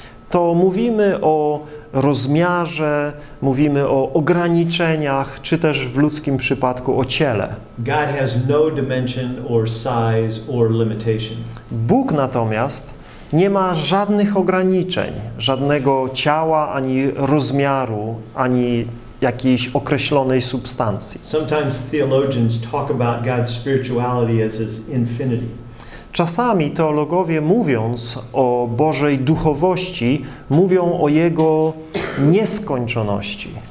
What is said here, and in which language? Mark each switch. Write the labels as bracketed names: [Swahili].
[Polish] To mówimy o rozmiarze, mówimy o ograniczeniach, czy też w ludzkim przypadku o ciele. [English] God has no dimension or size or limitation. [Polish] Bóg natomiast nie ma żadnych ograniczeń, żadnego ciała, ani rozmiaru, ani jakiejś określonej substancji. [English] Sometimes theologians talk about God's spirituality as his infinity. [Polish] Czasami teologowie, mówiąc o Bożej duchowości, mówią o Jego nieskończoności.